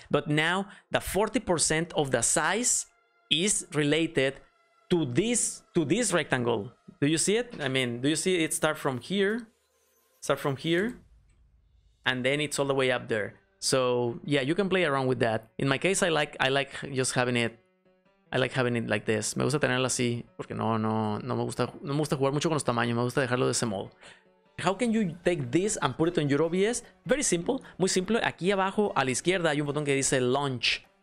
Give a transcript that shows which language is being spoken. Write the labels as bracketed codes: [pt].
[en] But now the 40% of the size is related to this rectangle. Do you see it? I mean, do you see it start from here and then it's all the way up there? So yeah, you can play around with that. In my case, I like having it like this. [es] Me gusta tenerlo así porque no me gusta jugar mucho con los tamaños. Me gusta dejarlo de ese modo. [en] How can you take this and put it on your OBS? Very simple, [es] muy simple. Aquí abajo a la izquierda hay un botón que dice launch.